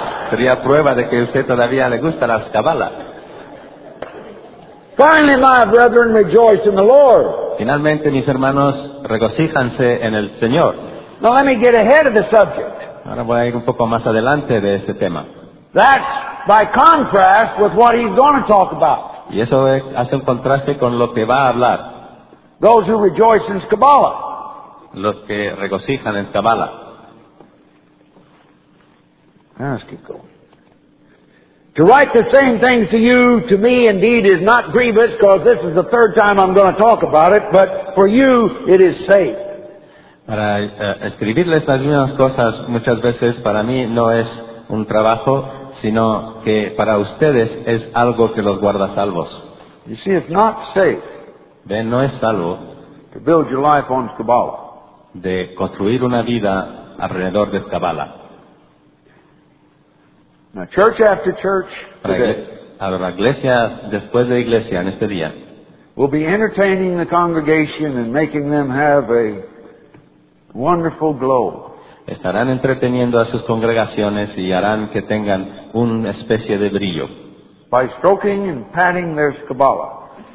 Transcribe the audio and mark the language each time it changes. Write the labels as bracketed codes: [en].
[es] Sería prueba de que usted todavía le gusta la Kabbalah. [en] Finally, my brethren, rejoice in the Lord. [es] Finalmente, mis hermanos, regocíjanse en el Señor. [en] Now let me get ahead of the subject. [es] Ahora voy a ir un poco más adelante de este tema. [en] That's by contrast with what he's going to talk about. [es] Y eso es, hace un contraste con lo que va a hablar. [en] Those who rejoice in Kabbalah. [es] Los que regocijan en Kabbalah. [en] Let's keep going. To write the same things to you, to me indeed is not grievous, because this is the third time I'm going to talk about it, but for you it is safe. [es] Para escribirles las mismas cosas muchas veces para mí no es un trabajo, sino que para ustedes es algo que los guarda salvos. [en] You see, it's not safe. [es] Ven, no es salvo. [en] To build your life on Kabbalah. [es] De construir una vida alrededor de Kabbalah. [en] Now, church after church, today, [es] la iglesia después de iglesia en este día, [en] we'll be entertaining the congregation and making them have a wonderful glow. [es] Estarán entreteniendo a sus congregaciones y harán que tengan una especie de brillo. [en] By stroking and patting their Kabbalah.